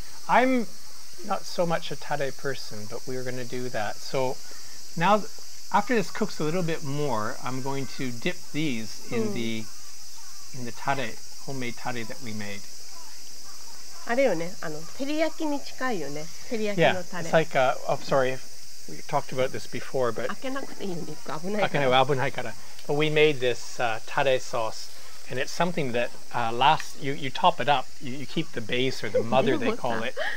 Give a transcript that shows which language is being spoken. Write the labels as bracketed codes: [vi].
[en] I'm not so much a tare person, but we're going to do that. So now, after this cooks a little bit more, I'm going to dip these in the tare, homemade tare that we made. [ja] あれよね、あの、照り焼きに近いよね。照り焼きのタレ。 [en] Yeah, it's like, we talked about this before, but [ja] あけなくていいんですか？危ないから。あけない、危ないから。 [en] But we made this tare sauce, and it's something that lasts. You top it up. You keep the base or the mother, they call it.